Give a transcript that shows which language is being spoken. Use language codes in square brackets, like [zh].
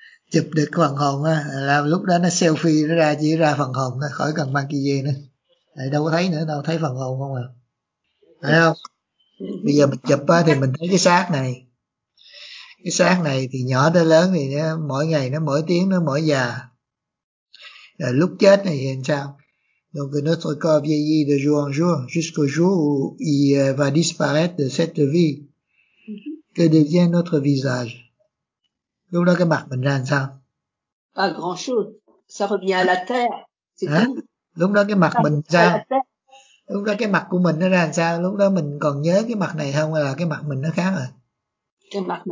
[vi] Chụp được phần hồn á, là lúc đó nó selfie nó ra, chỉ ra phần hồn thôi, khỏi cần mang cái gì nữa. Đâu có thấy nữa đâu, thấy phần hồn không à. Thấy không? Bây giờ mình chụp á thì mình thấy cái xác này. Cái xác này thì nhỏ tới lớn thì nó, mỗi ngày nó mỗi tiếng nó mỗi già. Rồi lúc chết này thì sao? [fr] Donc notre corps vieillit de jour en jour jusqu'au jour où il va disparaître de cette vie. Que devient notre visage? [vi] Lúc đó cái mặt mình ra làm sao? [fr] Pas grand chose. Ça revient à la terre. C'est [vi] lúc đó cái mặt mình ra. Lúc đó cái mặt của mình nó ra làm sao? Lúc đó mình còn nhớ cái mặt này không hay là cái mặt mình nó khác rồi?